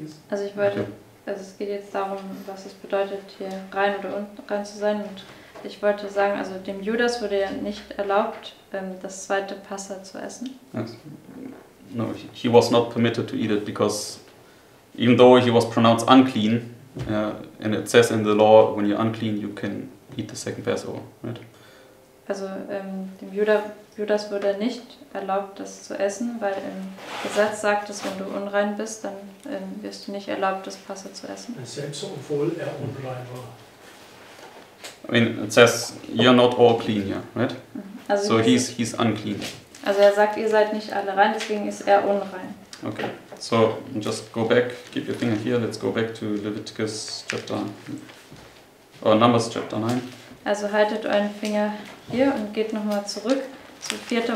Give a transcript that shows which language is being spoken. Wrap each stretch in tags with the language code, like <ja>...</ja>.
<de>Also ich wollte, also es geht jetzt darum, was es bedeutet, hier rein oder unten rein zu sein. Und ich wollte sagen, also dem Judas wurde ja nicht erlaubt, das zweite Passa zu essen.</de> <en>Yes. No, he was not permitted to eat it, because even though he was pronounced unclean, and it says in the law, when you're unclean, you can eat the second Passover, right?</en> <de>Also, dem Judas wurde nicht erlaubt, das zu essen, weil im Gesetz sagt es, wenn du unrein bist, dann wirst du nicht erlaubt, das Passa zu essen. And selbst obwohl unrein war.</de> <en>I mean, it says, you're not all clean here, right? Also so he's unclean.</en> <de>Also er sagt, ihr seid nicht alle rein, deswegen ist unrein.</de> <en>Okay, so just go back, keep your finger here, let's go back to Leviticus chapter, or Numbers chapter 9.</en> <de>Also haltet euren Finger hier und geht nochmal zurück zu 4.</de>